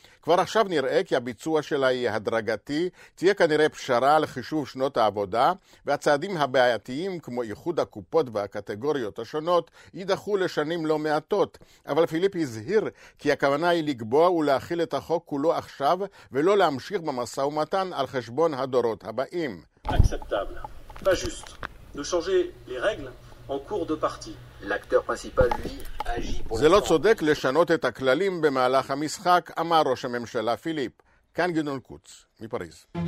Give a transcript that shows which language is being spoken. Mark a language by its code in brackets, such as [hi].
[he] כבר עכשיו נראה כי הביצוע שלה היא הדרגתי, תהיה כנראה פשרה לחישוב שנות העבודה, והצעדים הבעייתיים כמו איחוד הקופות והקטגוריות השונות יידחו לשנים לא מעטות. אבל פיליפ הזהיר כי הכוונה היא לקבוע ולהכיל את החוק כולו עכשיו, ולא להמשיך במסע ומתן על חשבון הדורות הבאים. [fr] Acceptable. Pas juste. De changer les règles en cours de partie. [he] זה לא צודק לשנות את הכללים במהלך המשחק, אמר ראש הממשלה פיליפ. כאן גדעון קוץ, מפריז.